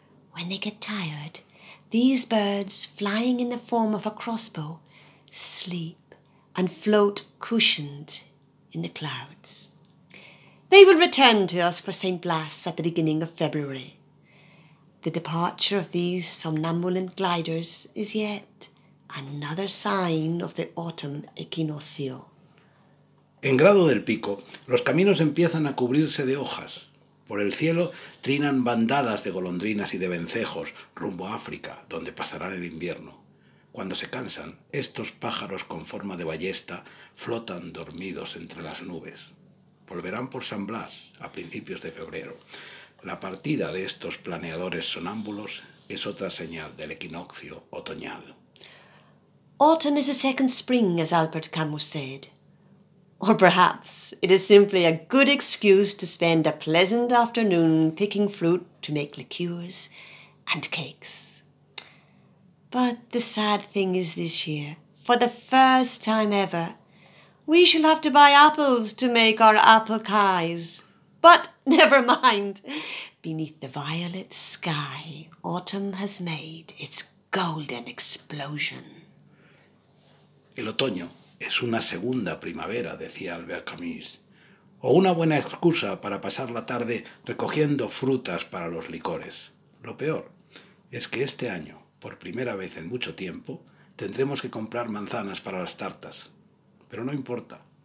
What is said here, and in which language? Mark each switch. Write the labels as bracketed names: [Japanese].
[English] When they get tired, these birds, flying in the form of a crossbow, sleep and float cushioned in the clouds. They will return to us for St. Blas at the beginning of February. The departure of these somnambulant gliders is yet another sign of the autumn equinoccio. [Spanish] En Grado del Pico, los caminos empiezan a cubrirse de hojas. Por el cielo trinan bandadas de golondrinas y de vencejos rumbo a África, donde pasarán el invierno. Cuando se cansan, estos pájaros con forma de ballesta flotan dormidos entre las nubes. Volverán por San Blas a principios de febrero. La partida de estos planeadores sonámbulos es otra señal del equinoccio otoñal. [English] Autumn is a second spring, as Albert Camus said. Or perhaps it is simply a good excuse to spend a pleasant afternoon picking fruit to make liqueurs and cakes. But the sad thing is this year, for the first time ever, we shall have to buy apples to make our apple pies. But never mind. Beneath the violet sky, autumn has made its golden explosion. [Spanish] El otoño es una segunda primavera, decía Albert Camus, o una buena excusa para pasar la tarde recogiendo frutas para los licores. Lo peor es que este año, por primera vez en mucho tiempo, tendremos que comprar manzanas para las tartas. Pero no importa.